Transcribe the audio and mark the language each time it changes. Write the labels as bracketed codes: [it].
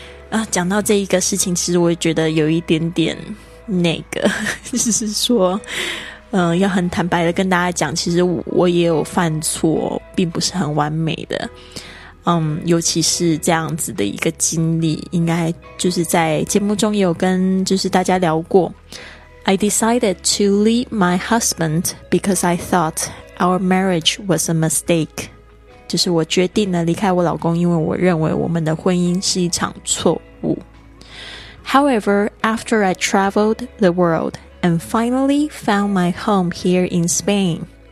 [zh] 啊，讲到这一个事情，其实我也觉得有一点点那个，就是说要很坦白的跟大家讲，其实 我也有犯错，并不是很完美的。尤其是这样子的一个经历，应该就是在节目中也有跟就是大家聊过。 [en] I decided to leave my husband because I thought our marriage was a mistake. [zh] 就是我决定了离开我老公，因为我认为我们的婚姻是一场错误。 [en] However, after I traveled the world and finally found my home here in Spain.